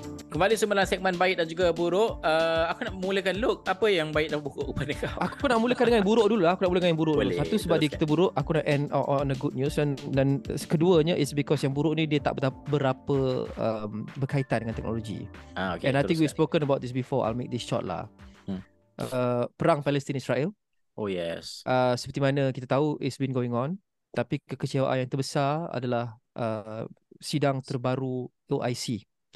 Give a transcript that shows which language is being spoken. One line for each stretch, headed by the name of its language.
Malay: Kembali semula segmen baik dan juga buruk. Aku nak mulakan look. Apa yang baik dan buruk kepada kau? Aku pun nak mulakan dengan buruk dulu lah. Aku nak mulakan dengan buruk. Boleh, satu sebab dia kita buruk, aku nak
English: end on a good news.
Malay: Dan keduanya is because yang buruk ni dia tak berapa berkaitan dengan teknologi. Okay,
English: and I think we've spoken about this before. I'll make this short lah.
Malay: Perang Palestin-Israel.
English: Oh yes.
Malay: Seperti mana kita tahu,
English: it's been going on.
Malay: Tapi kekecewaan yang terbesar adalah sidang terbaru OIC.